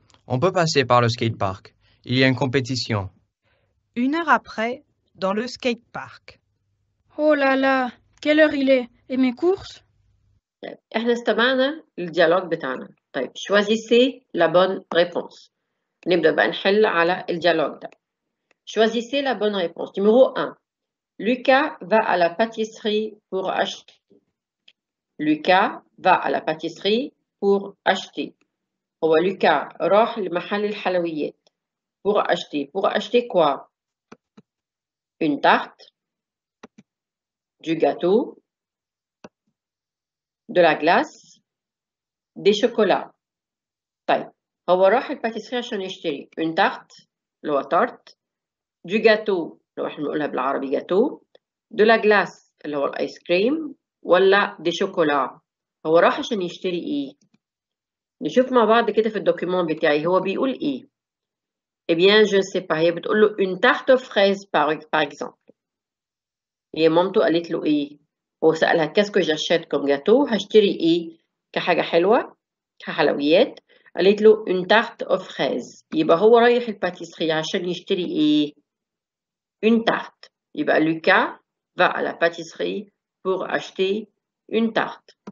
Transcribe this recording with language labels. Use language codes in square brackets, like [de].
[fr] On peut passer par le skatepark. Il y a une compétition. Une heure après, dans le skatepark. Oh là là, quelle heure il est? Et mes courses? [ar] احنا استمعنا الديالوج بتاعنا. [fr] طيب, choisissez la bonne réponse. [ar] نبدأ بقى نحل على الديالوج ده. [fr] Choisissez la bonne réponse. Numéro 1. Lucas va à la pâtisserie pour acheter. Lucas va à la pâtisserie pour acheter. [ar] هو Lucas راح لمحل الحلويات. [fr] Pour acheter. Pour acheter quoi? Une tarte. Du gâteau. De la glace. Des chocolats. طيب. [ar] هو راح الباتيسري عشان يشتري. [fr] Une tarte. [ar] لو تارت. [fr] Du gâteau, [ar] لو احنا بنقولها بالعربي gâteau, [fr] de la glace, [ar] اللي هو الايس كريم, ولا دي شوكولا. هو راح عشان يشتري ايه؟ نشوف مع بعض كده في الدوكيومون بتاعي هو بيقول ايه؟ [fr] Eh bien, je ne sais pas, هي بتقول له une tarte aux fraises par exemple. [ar] هي مامته قالت له ايه؟ هو سألها كاسكو جاشيت كوم جاتو هشتري ايه؟ كحاجة حلوة؟ كحلويات؟ قالت له [fr] une tarte aux fraises. [ar] يبقى هو رايح الباتيسري عشان يشتري ايه؟ [fr] Une tarte. Et bien, Lucas va à la pâtisserie pour acheter une tarte.